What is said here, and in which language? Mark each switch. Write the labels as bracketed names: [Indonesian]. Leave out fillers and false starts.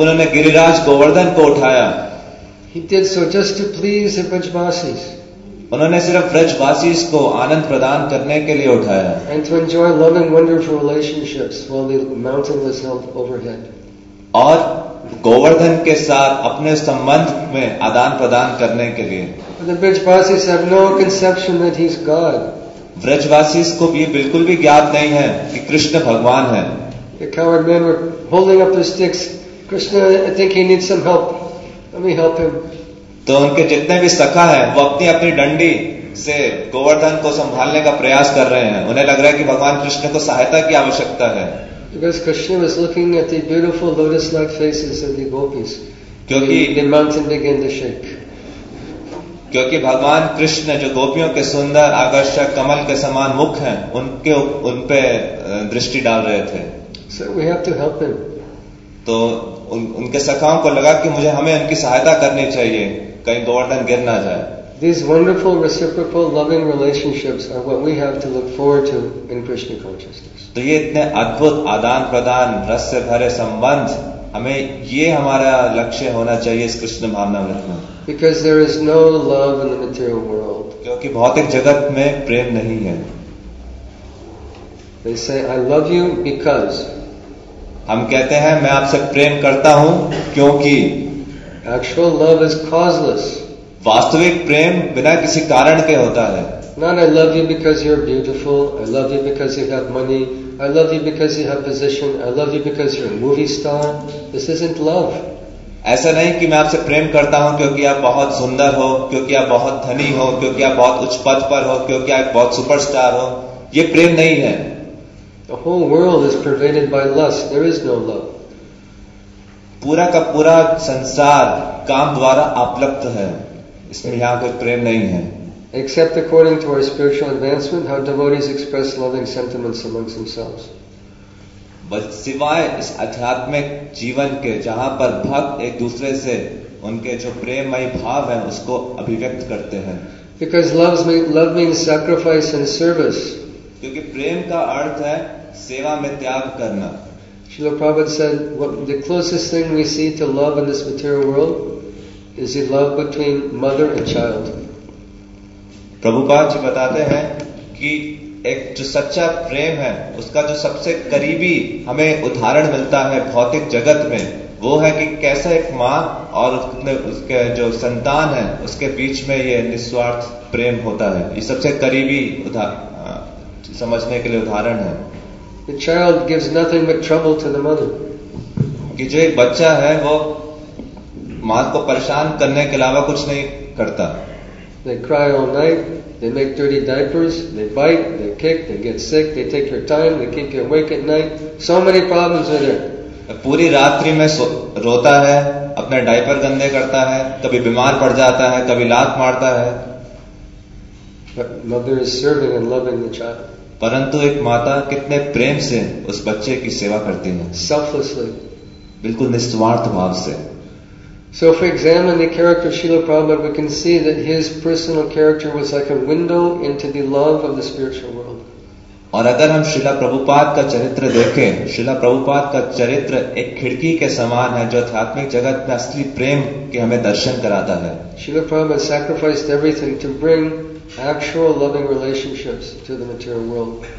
[Hindi] उन्होंने गिरिराज गोवर्धन को उठाया, उन्होंने सिर्फ ब्रजवासी को आनंद प्रदान करने के लिए उठाया, [English] and to enjoy loving wonderful relationships while the mountain was held overhead. [Hindi] और गोवर्धन के साथ अपने संबंध में आदान प्रदान करने के लिए। [English] The Brajavasi have no conception that he's God. [Hindi] ब्रजवासी को भी बिल्कुल भी ज्ञात नहीं है कि कृष्ण भगवान है। [English] The coward men were holding up the sticks. Krishna, I think he needs some help. Let me help him. [Hindi] तो उनके जितने भी सखा हैं, वो अपनी अपनी डंडी से गोवर्धन को संभालने का प्रयास कर रहे हैं। उन्हें लग रहा है कि भगवान कृष्ण को सहायता की आवश्यकता है। [English] Because Krishna was looking at the beautiful lotus-like faces of the gopis. [Hindi] क्योंकि [English] the mountain began to shake. [Hindi] क्योंकि भगवान कृष्ण जो गोपियों के सुंदर आकर्षक कमल के समान मुख हैं, उनके उनपे दृष्टि डाल रहे थे। [English] So we have to help him. [Hindi] तो उनके सखाओं को लगा कि मुझे हमें उनकी सहायता करनी चाहिए, कहीं गोवर्धन गिर ना जाए। [English] These wonderful reciprocal loving relationships are what we have to look forward to in Krishna consciousness. [Hindi] तो ये इतने अद्भुत आदान प्रदान रस से भरे संबंध, हमें ये हमारा लक्ष्य होना चाहिए इस कृष्ण भावनामृत में। [English] Because there is no love in the material world. [Hindi] क्योंकि भौतिक जगत में प्रेम नहीं है। [English] They say, I love you because. [Hindi] हम कहते हैं मैं आपसे प्रेम करता हूं क्योंकि। [English] Actual love is causeless. [Hindi] वास्तविक प्रेम बिना किसी कारण के होता है। [English] Not I love you because you're beautiful. I love you because you have money. I love you because you have position. I love you because you're a movie star. This isn't love. [Hindi] ऐसा नहीं कि मैं आपसे प्रेम करता हूं क्योंकि आप बहुत सुंदर हो, क्योंकि आप बहुत धनी हो, क्योंकि आप बहुत उच्च पद पर हो, क्योंकि आप बहुत सुपरस्टार हो। ये प्रेम नहीं है। [English] The whole world is pervaded by lust. There is no love. [Hindi] पूरा का पूरा संसार काम द्वारा आप्लुत है। इसमें यहाँ कोई प्रेम नहीं है। [English] Except according to our spiritual advancement, how devotees express loving sentiments amongst themselves. [Hindi] बस सिवाय इस आध्यात्मिक जीवन के, जहाँ पर भक्त एक दूसरे से उनके जो प्रेममय भाव हैं, उसको अभिव्यक्त करते हैं। [English] Because love means sacrifice and service. [Hindi] क्योंकि प्रेम का अर्थ है सेवा में त्याग करना। [English] Srila Prabhupada said, the closest thing we see to love in this material world is the love between mother and child. [Hindi] Prabhupada ji बताते हैं कि एक जो सच्चा प्रेम है, उसका जो सबसे करीबी हमें उदाहरण मिलता है भौतिक जगत में, वो है कि कैसे एक माँ और उसके जो संतान है उसके बीच में ये निस्वार्थ प्रेम होता है। ये सबसे करीबी समझने के लिए उदाहरण है। [English] The child gives nothing but trouble to the mother. [Hindi] कि जो एक बच्चा है वो माँ को परेशान करने के अलावा कुछ नहीं करता। [English] They cry all night. They make dirty diapers. They bite. They kick. They get sick. They take your time. They keep you awake at night. So many problems are there. [Hindi] पूरी रात्रि में रोता है, अपने डायपर गंदे करता है, कभी बीमार पड़ जाता है, कभी लात मारता है। [English] But mother is serving and loving the child. [Hindi] परंतु एक माता कितने प्रेम से उस बच्चे की सेवा करती है। [English] Selflessly. [Hindi] बिल्कुल निस्वार्थ भाव से। [English] So if we examine the character of Srila Prabhupada, we can see that his personal character was like a window into the love of the spiritual world. [Hindi] और अगर हम श्रीला प्रभुपाद का चरित्र देखें, श्रीला प्रभुपाद का चरित्र एक खिड़की के समान है जो आध्यात्मिक जगत में असली प्रेम के हमें दर्शन कराता है। [English] Srila Prabhupada sacrificed everything to bring actual loving relationships to the material world.